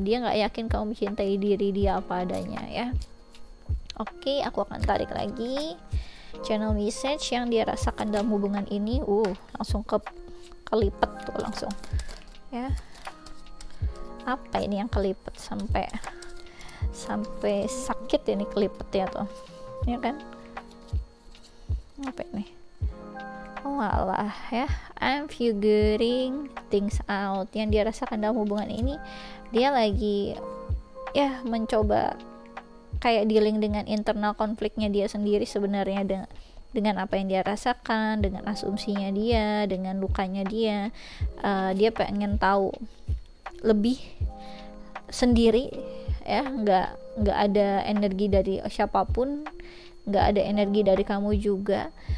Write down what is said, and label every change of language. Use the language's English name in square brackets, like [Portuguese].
[Indonesian] Dia gak yakin kamu mencintai diri dia apa adanya ya. Oke, aku akan tarik lagi channel message yang dia rasakan dalam hubungan ini. Langsung kelipet tuh langsung. Ya. Apa ini yang kelipet sampai sakit ini kelipetnya tuh. Ya kan? Apa ini? [English] Walah ya, I'm figuring things out. [Indonesian] Yang dia rasakan dalam hubungan ini, dia lagi ya mencoba kayak dealing dengan internal konfliknya dia sendiri sebenarnya, dengan apa yang dia rasakan, dengan asumsinya dia, dengan lukanya dia. Dia pengen tahu lebih sendiri ya, enggak ada energi dari siapapun, enggak ada energi dari kamu juga.